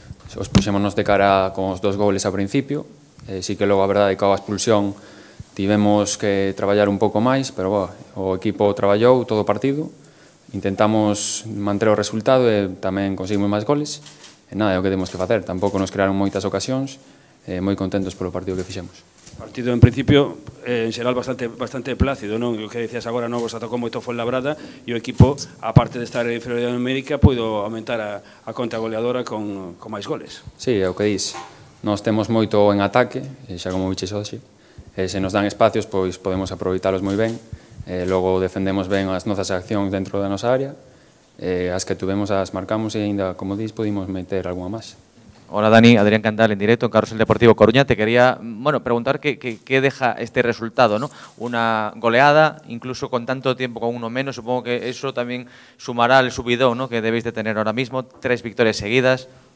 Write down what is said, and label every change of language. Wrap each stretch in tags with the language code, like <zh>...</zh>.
<gl>Os puxémonos de cara con os dos goles ao principio, sí que logo a verdade é que a expulsión tivemos que traballar un pouco máis, pero bueno, o equipo traballou todo o partido, intentamos manter o resultado e tamén conseguimos máis goles, e nada, é o que temos que facer, tampouco nos crearon moitas ocasións, moi contentos polo partido que fixemos. Partido en principio, en xeral, bastante plácido, non? O que decías agora, non, vos atacou moito Fuenlabrada, e o equipo, aparte de estar en inferioridade numérica, puido aumentar a conta goleadora con máis goles. Sí, é o que dís, nos temos moito en ataque, xa como biches hoxe, se nos dan espacios, pois podemos aproveitarlos moi ben. Logo defendemos ben as nosas accións dentro da nosa área. As que tuvemos as marcamos e ainda, como dís, pudimos meter alguna máis.</gl> <es>Hola Dani, Adrián Candal en directo en Carrusel Deportivo Coruña. Te quería, bueno, preguntar que deja este resultado, ¿no? Una goleada, incluso con tanto tiempo con uno menos, supongo que eso también sumará el subidón, ¿no? Que debéis de tener ahora mismo, 3 victorias seguidas.</es>